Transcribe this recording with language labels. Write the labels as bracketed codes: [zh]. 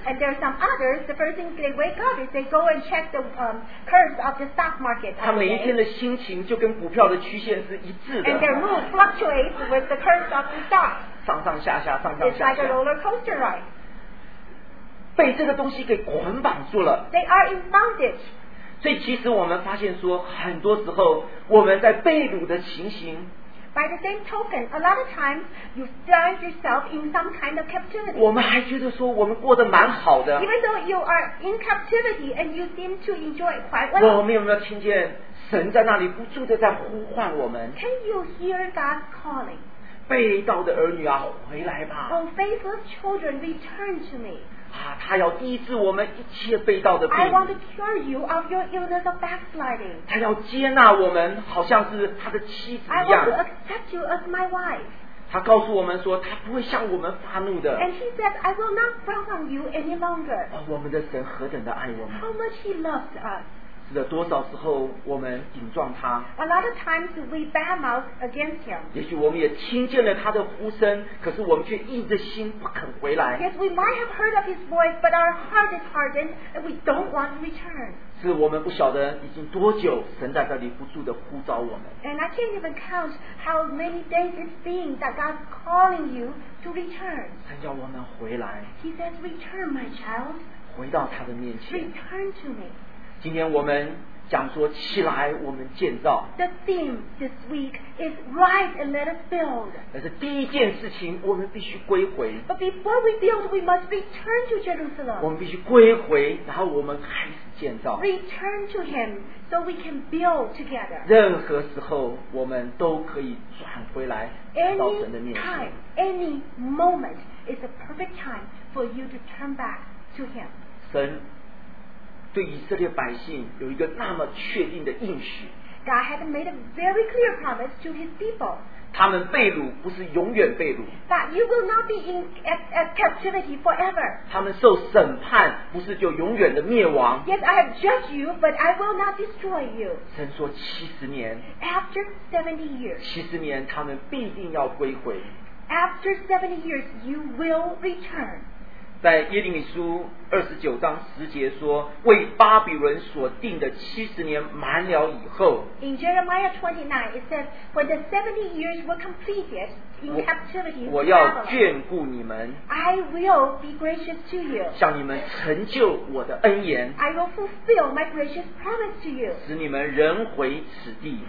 [en] And there are some others. The first thing they wake up is they go and check the curves of the stock market. [zh] 他每一天的心情就跟股票的曲线是一致的。 [en] And their mood fluctuates with the curves of the stock. [zh] 上上下下，上上下下。 [en] It's like a roller coaster ride. [zh] 被这个东西给捆绑住了。 [en] They are in bondage. [zh] 所以其实我们发现说很多时候我们在被掳的情形 [en] By the same token, a lot of times you find yourself in some kind of captivity [zh] 我们还觉得说我们过得蛮好的 [en] Even though you are in captivity and you seem to enjoy quite well [zh] 我们有没有听见神在那里不住的在呼唤我们 [en] Can you hear God calling? [zh] 被盗的儿女啊回来吧 [en] Oh, faithless children, return to me [zh] 他要医治我们一切被盗的病。 [en] I want to cure you of your illness of backsliding. [zh] 他要接纳我们，好像是他的妻子一样。 [en] I want to accept you as my wife. [zh] 他告诉我们说，他不会向我们发怒的。 [en] And he said, I will not frown on you any longer. [zh] 我们的神何等的爱我们。 [en] How much he loves us. [zh] 是的，多少时候我们顶撞他。 [en] A lot of times we bad mouth against him. [zh] 也许我们也听见了他的呼声，可是我们却硬着心不肯回来。 [en] Yes, we might have heard of his voice, but our heart is hardened and we don't want to return. [zh] 是我们不晓得已经多久神在这里不住地呼召我们。 [en] And I can't even count how many days it's been that God's calling you to return. [zh] 神叫我们回来。 [en] He says, "Return, my child." [zh] 回到他的面前。 [en] Return to me. [zh] 今天我们讲说起来我们建造 [en] The theme this week is rise and let us build [zh] 但是第一件事情我们必须归回 [en] But before we build we must return to Jerusalem [zh] 我们必须归回然后我们开始建造 [en] Return to him so we can build together [zh] 任何时候我们都可以转回来到神的面前 [en] Any time, any moment is a perfect time for you to turn back to him [zh] 神对以色列百姓有一个那么确定的应许。 [en] God had made a very clear promise to his people. [zh] 他们被掳不是永远被掳。 [en] That you will not be in captivity forever. [zh] 他们受审判不是就永远的灭亡。 [en] Yes, I have judged you, but I will not destroy you. [zh] 神说七十年。 [en] After 70 years. [zh] 七十年，他们必定要归回。 [en] After 70 years, you will return. [zh] 在耶利米书29:10说，为巴比伦所定的七十年满了以后。 [en] In Jeremiah 29, it says, when the 70 years were completed in captivity, [zh] 我要眷顾你们。 [en] I will be gracious to you. [zh] 向你们成就我的恩言。 [en] I will fulfill my gracious promise to you. [zh] 使你们仍回此地。